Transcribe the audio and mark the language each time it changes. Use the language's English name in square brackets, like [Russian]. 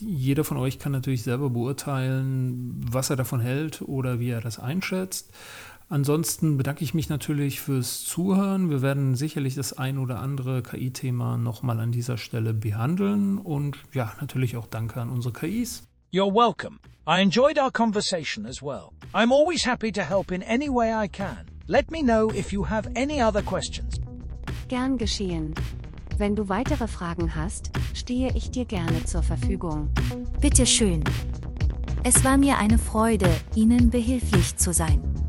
[German] Jeder von euch kann natürlich selber beurteilen, was er davon hält oder wie er das einschätzt. Ansonsten bedanke ich mich natürlich fürs Zuhören. Wir werden sicherlich das ein oder andere KI-Thema nochmal an dieser Stelle behandeln. Und ja, natürlich auch danke an unsere KIs. [English] You're welcome. I enjoyed our conversation as well. I'm always happy to help in any way I can. Let me know if you have any other questions. [German] Gern geschehen. Wenn du weitere Fragen hast, stehe ich dir gerne zur Verfügung. Bitte schön. Es war mir eine Freude, Ihnen behilflich zu sein.